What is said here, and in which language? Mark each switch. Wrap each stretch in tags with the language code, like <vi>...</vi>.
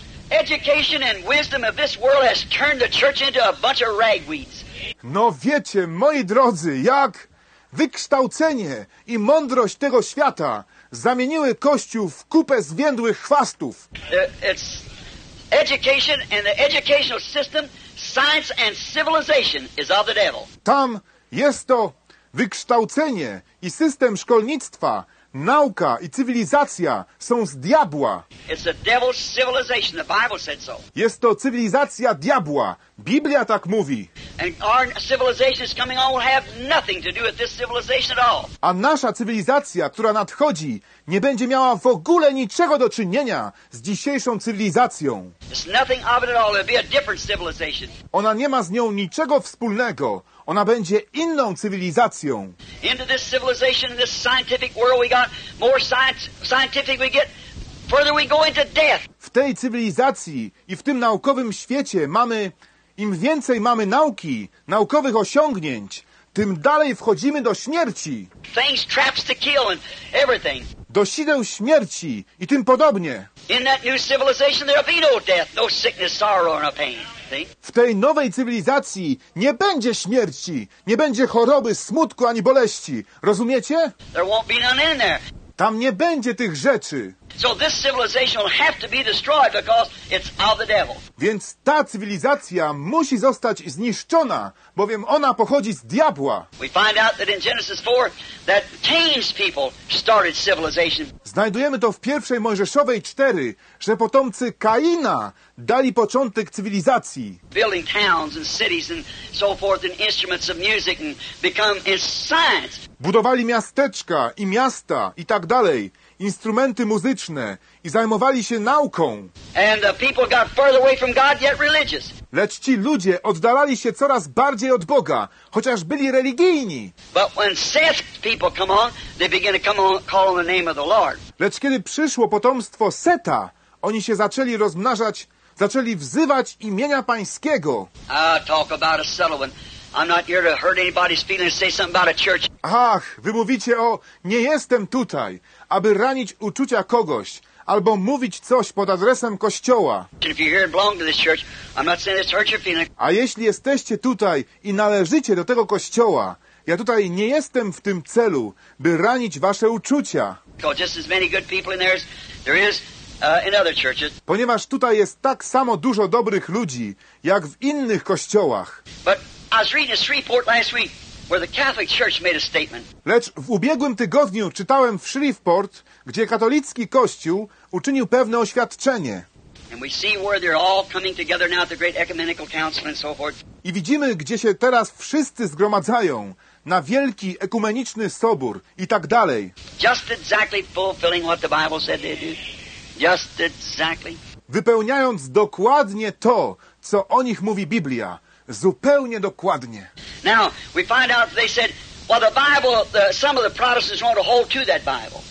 <en>Education and wisdom of this world has turned the church into a bunch of ragweeds.</en> <pl>No wiecie, moi drodzy, jak wykształcenie i mądrość tego świata zamieniły Kościół w kupę zwiędłych chwastów.</pl> <en>It's education and the educational system, science and civilization is of the devil.</en> <pl>Tam jest to wykształcenie i system szkolnictwa. Nauka i cywilizacja są z diabła.</pl> <en>It's a devil's civilization. The Bible said so.</en> <pl>Jest to cywilizacja diabła. Biblia tak mówi.</pl> <en>And our civilization is coming on will have nothing to do with this civilization at all.</en> <pl>A nasza cywilizacja, która nadchodzi, nie będzie miała w ogóle niczego do czynienia z dzisiejszą cywilizacją.</pl> <en>It's nothing of it at all. It'll be a different civilization.</en> <pl>Ona nie ma z nią niczego wspólnego. Ona będzie inną cywilizacją.</pl> <en>Into this civilization, this scientific world, we got more science, scientific we get, further we go into death.</en> <pl>W tej cywilizacji i w tym naukowym świecie mamy, im więcej mamy nauki, naukowych osiągnięć, tym dalej wchodzimy do śmierci.</pl> <en>Things, traps to kill and everything.</en> <pl>Do sideł śmierci i tym podobnie.</pl> <en>In that new civilization there'll be no death, no sickness, sorrow or no pain.</en> <pl>W tej nowej cywilizacji nie będzie śmierci, nie będzie choroby, smutku ani boleści. Rozumiecie?</pl> <en>There won't be none in there.</en> <pl>Tam nie będzie tych rzeczy.</pl> <en>So this civilization will have to be destroyed because it's of the devil.</en> <pl>Więc ta cywilizacja musi zostać zniszczona, bowiem ona pochodzi z diabła.</pl> <en>We find out that in Genesis 4 that Cain's people started civilization.</en> <pl>Znajdujemy to w pierwszej Mojżeszowej 4, że potomcy Kaina dali początek cywilizacji.</pl> <en>Building towns and cities and so forth and instruments of music and become a science.</en> <pl>Budowali miasteczka i miasta i tak dalej. Instrumenty muzyczne i zajmowali się nauką.</pl> <en>And the people got further away from God, yet religious.</en> <pl>Lecz ci ludzie oddalali się coraz bardziej od Boga, chociaż byli religijni.</pl> <en>But when Seth's people come on, they begin to come on, call on the name of the Lord.</en> <pl>Lecz kiedy przyszło potomstwo Seta, oni się zaczęli rozmnażać, zaczęli wzywać imienia Pańskiego.</pl> <en>Talk about a settlement. I'm not here to hurt anybody's feelings. Say something about a church.</en> <pl>Ach, wy mówicie o, nie jestem tutaj, aby ranić uczucia kogoś, albo mówić coś pod adresem kościoła.</pl> <en>If you're here and belong to this church, I'm not saying this hurts your feelings.</en> <pl>A jeśli jesteście tutaj i należycie do tego kościoła, ja tutaj nie jestem w tym celu, by ranić wasze uczucia.</pl> <en>Because just as many good people in there as there is. In other churches.</en> <pl>Ponieważ tutaj jest tak samo dużo dobrych ludzi, jak w innych kościołach.</pl> <en>But I was reading this report last week where the Catholic Church made a statement.</en> <pl>Lecz w ubiegłym tygodniu czytałem w Shreveport, gdzie katolicki kościół uczynił pewne oświadczenie.</pl> <en>And we see where they're all coming together now at the great ecumenical council and so forth.</en> <pl>I widzimy, gdzie się teraz wszyscy zgromadzają na wielki ekumeniczny sobór i tak dalej.</pl> <en>Just exactly fulfilling what the Bible said they do. Just exactly.</en> <pl>Wypełniając dokładnie to, co o nich mówi Biblia. Zupełnie dokładnie.</pl> <en>Now, we find out they said, well, the Bible, the, some of the Protestants want to hold to that Bible.</en>